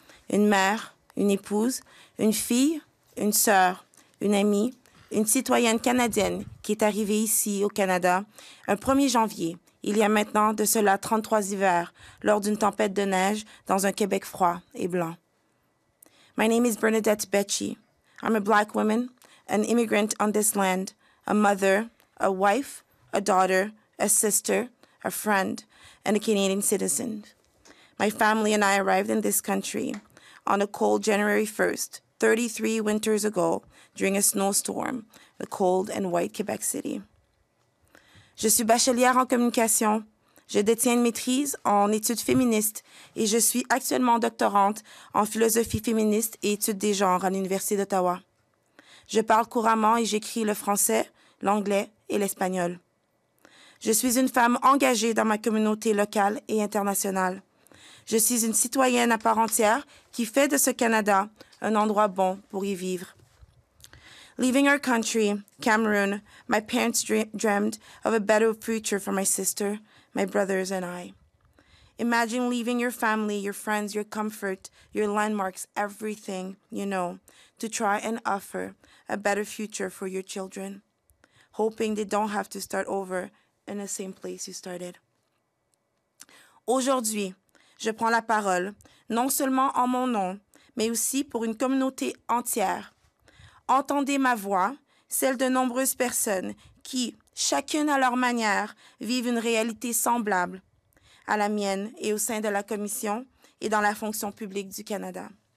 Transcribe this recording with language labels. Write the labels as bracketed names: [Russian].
[French] Une mère, une épouse, une fille, une sœur, une amie, une citoyenne canadienne qui est arrivée ici au Canada un 1er janvier, il y a maintenant de cela 33 hivers, lors d'une tempête de neige dans un Québec froid et blanc. [English] My name is Bernadette Becci. I'm a black woman, an immigrant on this land, a mother, a wife, a daughter, a sister, a friend, and a Canadian citizen. My family and I arrived in this country on a cold January 1st, 33 winters ago, during a snowstorm, the cold and white Quebec City. [French] Je suis bachelière en communication. Je détiens une maîtrise en études féministes et je suis actuellement doctorante en philosophie féministe et études des genres à l'Université d'Ottawa. Je parle couramment et j'écris le français, l'anglais et l'espagnol. Je suis une femme engagée dans ma communauté locale et internationale. Je suis une citoyenne à part entière qui fait de ce Canada un endroit bon pour y vivre. [English] Leaving our country, Cameroon, my parents dreamed of a better future for my sister, my brothers, and I. Imagine leaving your family, your friends, your comfort, your landmarks, everything you know, to try and offer a better future for your children, hoping they don't have to start over in the same place you started. [French] Aujourd'hui, je prends la parole, non seulement en mon nom, mais aussi pour une communauté entière. Entendez ma voix, celle de nombreuses personnes qui, chacune à leur manière, vivent une réalité semblable à la mienne et au sein de la Commission et dans la fonction publique du Canada.